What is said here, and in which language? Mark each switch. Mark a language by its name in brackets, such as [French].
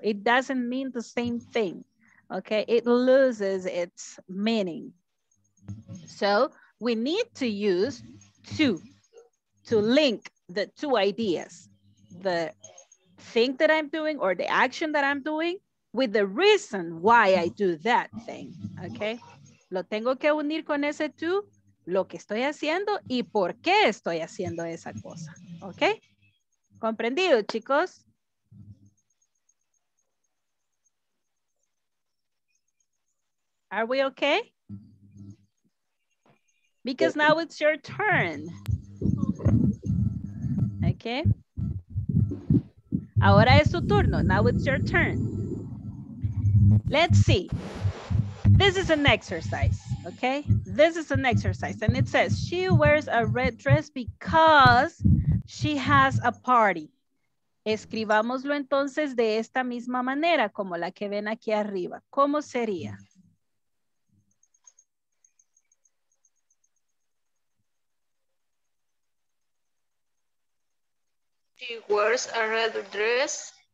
[English] It doesn't mean the same thing. Okay? It loses its meaning. So we need to use to link the two ideas, the thing that I'm doing or the action that I'm doing with the reason why I do that thing. Okay? [Spanish] Lo tengo que unir con ese to, lo que estoy haciendo y por qué estoy haciendo esa cosa. Okay? ¿Comprendido, chicos? [English] Are we okay? Because now it's your turn. [Spanish] Okay. Ahora es su turno. [English] Now it's your turn. Let's see. This is an exercise. Okay. This is an exercise. And it says she wears a red dress because she has a party. [Spanish] Escribámoslo entonces de esta misma manera como la que ven aquí arriba. ¿Cómo sería? [English] She wears a red dress.